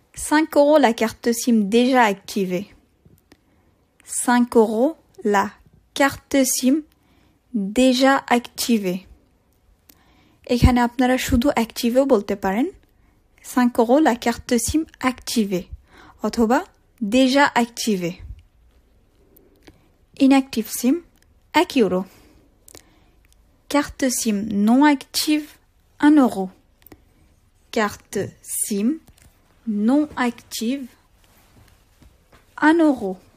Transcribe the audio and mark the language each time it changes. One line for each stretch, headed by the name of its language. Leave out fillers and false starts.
French: 5 euros la carte SIM déjà activée. 5 euros la carte SIM déjà activée.
Bangla: এখানে আপনারা শুধু active বলতে পারেন.
French: 5 euros la carte SIM activée.
Bangla: অথবা
French: déjà activée.
English: Inactive SIM 1 euro.
French: Carte SIM non active 1 euro. Carte SIM non active 1 euro.